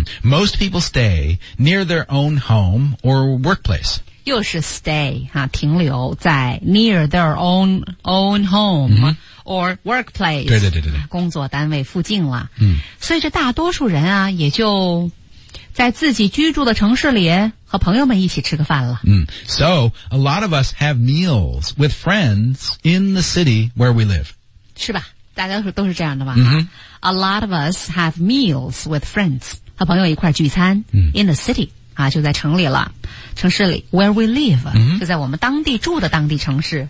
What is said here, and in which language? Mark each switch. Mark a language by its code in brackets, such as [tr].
[en] Most people stay near their own home or workplace [zh] 又是 [en] stay、 [zh] 停留在 [en] near their own home、or workplace [zh] 对对对对工作单位附近了、嗯、所以这大多数人啊也就在自己居住的城市里和朋友们一起吃个饭了。 [en] So, a lot of us have meals with friends in the city where we live. [zh] 是吧？大家都是这样的吧、 [en] A lot of us have meals with friends, [zh] 和朋友一块聚餐、 [en] in the city, [zh] 啊，就在城里了。城市里 , [en] where we live,、 [zh] 就在我们当地住的当地城市。